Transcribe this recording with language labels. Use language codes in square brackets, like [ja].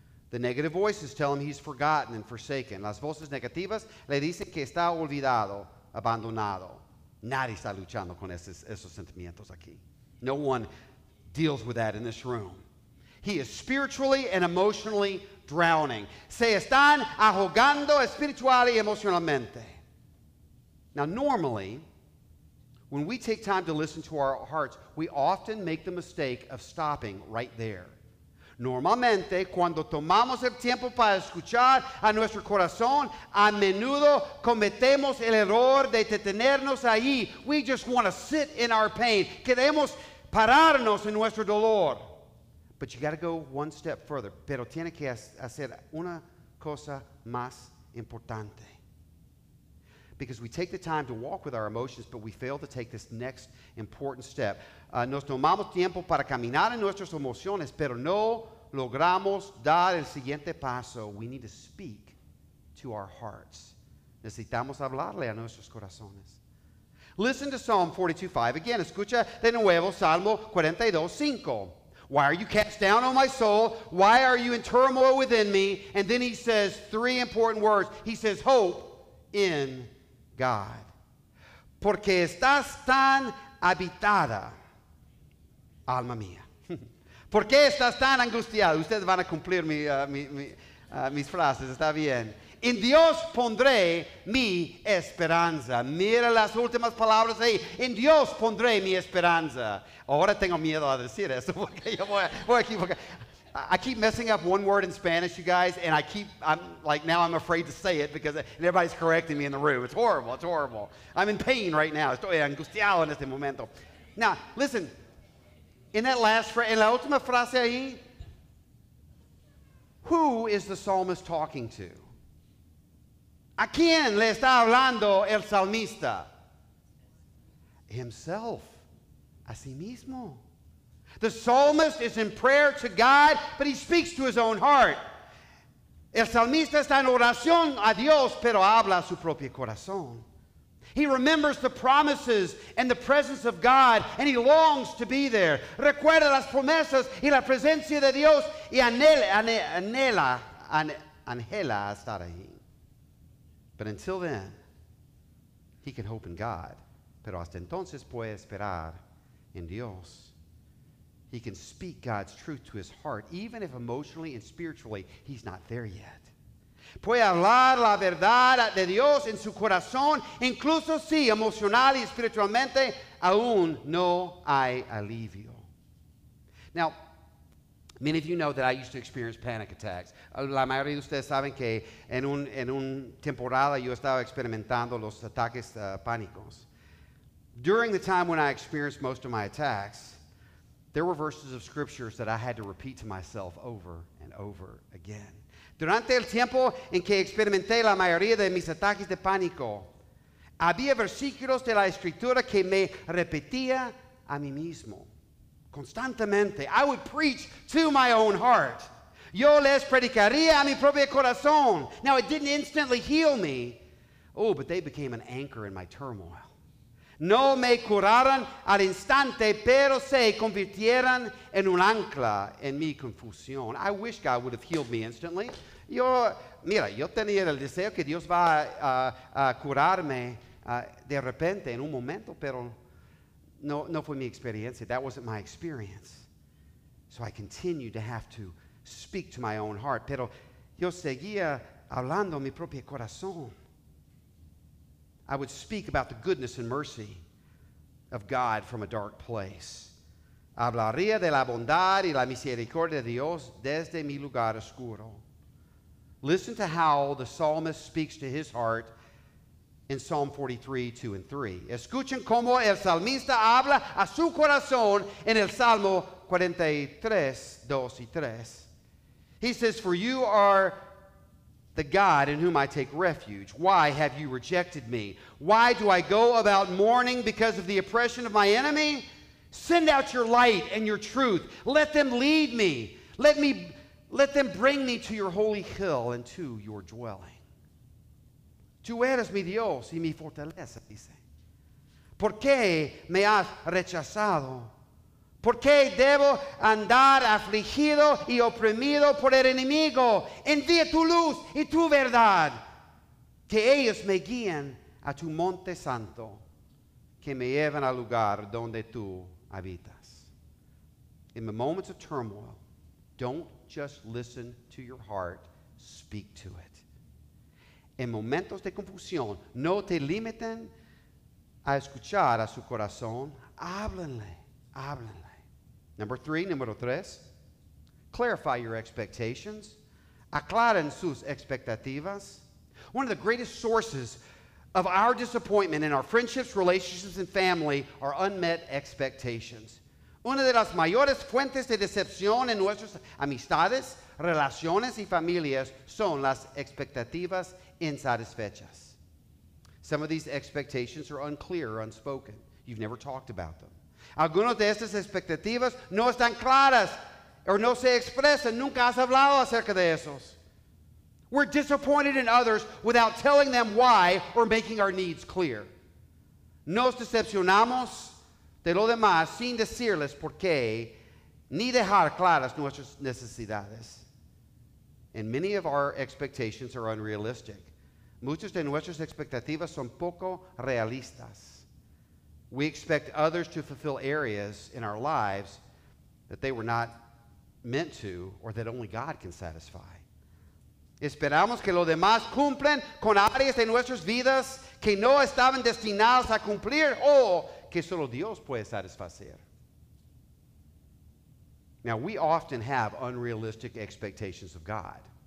[en] The negative voices tell him he's forgotten and forsaken. [es] Las voces negativas le dicen que está olvidado, abandonado. Nadie está luchando con esos sentimientos aquí. [en] No one deals with that in this room. He is spiritually and emotionally drowning. [es] Se están ahogando espiritual y emocionalmente. [en] Now, normally, when we take time to listen to our hearts, we often make the mistake of stopping right there. [es] Normalmente, cuando tomamos el tiempo para escuchar a nuestro corazón, a menudo cometemos el error de detenernos ahí. [en] We just want to sit in our pain. [es] Queremos pararnos en nuestro dolor. [en] But you got to go one step further. [es] Pero tiene que hacer una cosa más importante. [en] Because we take the time to walk with our emotions, but we fail to take this next important step. [es] Nos tomamos tiempo para caminar en nuestras emociones, pero no logramos dar el siguiente paso. [en] We need to speak to our hearts. [es] Necesitamos hablarle a nuestros corazones. [en] Listen to Psalm 42:5 again. [es] Escucha de nuevo Salmo 42:5. [en] Why are you cast down, O my soul? Why are you in turmoil within me? And then he says three important words. He says, hope in God. [es] Porque estás tan habitada, alma mía. ¿Por qué estás tan angustiada? Ustedes van a cumplir mis frases, está bien. En Dios pondré mi esperanza. Mira las últimas palabras ahí. En Dios pondré mi esperanza. Ahora tengo miedo a decir eso porque yo voy a equivocar. [en] I keep messing up one word in Spanish, you guys, and now I'm afraid to say it because everybody's correcting me in the room. It's horrible. It's horrible. I'm in pain right now. [es] Estoy angustiado en este momento. [en] Now, listen. In that last phrase, [es] en la última frase ahí, [en] who is the psalmist talking to? [es] ¿A quién le está hablando el salmista? [en] Himself. [es] A sí mismo. [en] The psalmist is in prayer to God, but he speaks to his own heart. [es] El salmista está en oración a Dios, pero habla a su propio corazón. [en] He remembers the promises and the presence of God, and he longs to be there. [es] Recuerda las promesas y la presencia de Dios, y anhela estar ahí. [en] But until then, he can hope in God. [es] Pero hasta entonces puede esperar en Dios. [en] He can speak God's truth to his heart, even if emotionally and spiritually he's not there yet. [es] Puede hablar la verdad de Dios en su corazón, incluso si emocional y espiritualmente aún no hay alivio. [en] Now, many of you know that I used to experience panic attacks. [es] La mayoría de ustedes saben que en un temporada yo estaba experimentando los ataques pánicos. [en] During the time when I experienced most of my attacks, there were verses of scriptures that I had to repeat to myself over and over again. [es] Durante el tiempo en que experimenté la mayoría de mis ataques de pánico, había versículos de la escritura que me repetía a mí mismo constantemente. [en] I would preach to my own heart. [es] Yo les predicaría a mi propio corazón. [en] Now, it didn't instantly heal me. Oh, but they became an anchor in my turmoil. [es] No me curaron al instante, pero se convirtieron en un ancla en mi confusión. [en] I wish God would have healed me instantly. [es] Yo tenía el deseo que Dios va a curarme de repente en un momento, pero no fue mi experiencia. [en] That wasn't my experience. So I continued to have to speak to my own heart. [es] Pero yo seguía hablando mi propio corazón. [en] I would speak about the goodness and mercy of God from a dark place. [es] Hablaría de la bondad y la misericordia de Dios desde mi lugar oscuro. [en] Listen to how the psalmist speaks to his heart in Psalm 43:2-3. [es] Escuchen cómo el salmista habla a su corazón en el Salmo 43:2-3. [en] He says, for you are the God in whom I take refuge. Why have you rejected me? Why do I go about mourning because of the oppression of my enemy? Send out your light and your truth. Let them lead me. Let them bring me to your holy hill and to your dwelling. [es] Tú eres mi Dios y mi fortaleza, dice. ¿Por qué me has rechazado? ¿Por qué debo andar afligido y oprimido por el enemigo? Envía tu luz y tu verdad. Que ellos me guíen a tu monte santo, que me lleven al lugar donde tú habitas. [en] In the moments of turmoil, don't just listen to your heart, speak to it. [es] En momentos de confusión, no te limiten a escuchar a su corazón. Háblenle, háblenle. [en] Number three, clarify your expectations. [es] Aclaren sus expectativas. [en] One of the greatest sources of our disappointment in our friendships, relationships, and family are unmet expectations. [es] Una de las mayores fuentes de decepción en nuestras amistades, relaciones, y familias son las expectativas insatisfechas. [en] Some of these expectations are unclear or unspoken. You've never talked about them. [es] Algunas de estas expectativas no están claras o no se expresan. Nunca has hablado acerca de esos. [en] We're disappointed in others without telling them why or making our needs clear. [es] Nos decepcionamos de los demás sin decirles por qué ni dejar claras nuestras necesidades. [en] And many of our expectations are unrealistic. [es] Muchas de nuestras expectativas son poco realistas. [en] We expect others to fulfill areas in our lives that they were not meant to or that only God can satisfy. [es] Esperamos que los demás cumplan con áreas de nuestras vidas que no estaban destinadas a cumplir o que solo Dios puede satisfacer. [en] Now, we often have unrealistic expectations of God.